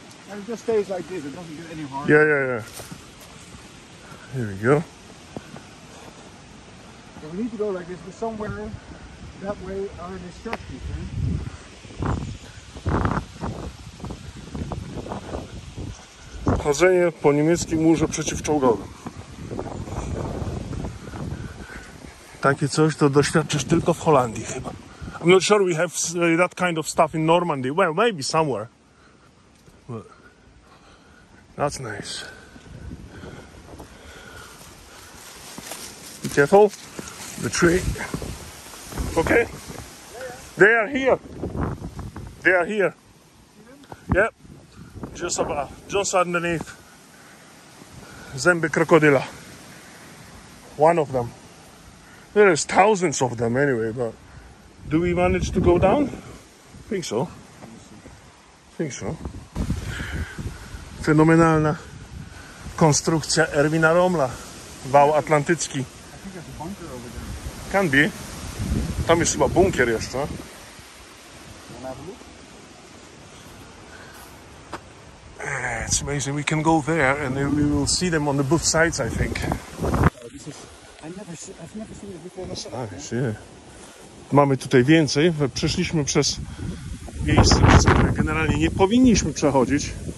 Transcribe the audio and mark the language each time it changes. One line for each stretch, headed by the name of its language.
English: And it just stays like this, it doesn't get any harder. Yeah. Here we go. So we need to go like this, but somewhere that way are the structures, right?
Polish: Chodzenie po niemieckim murze przeciwczołgowym. Takie coś to doświadczysz tylko w Holandii chyba.
English: I'm not sure we have that kind of stuff in Normandy. Well, maybe somewhere. But that's nice. Be careful. The tree. Okay. They are here. They are here. Yep. Just above. Just underneath.
Polish: Zęby krokodyla.
English: One of them. There's thousands of them anyway, but do we manage to go down? Think so.
Polish: Fenomenalna konstrukcja Erwina Rommla. Wał atlantycki.
English: I think there's a bunker over there. Can be.
Polish: Tam jest chyba bunkier jeszcze.
English: It's amazing. We can go there and we will see them on the both sides, I think. I've never seen it before. That's nice, yeah.
Polish: mamy tutaj więcej. Przeszliśmy przez miejsce, przez które generalnie nie powinniśmy przechodzić.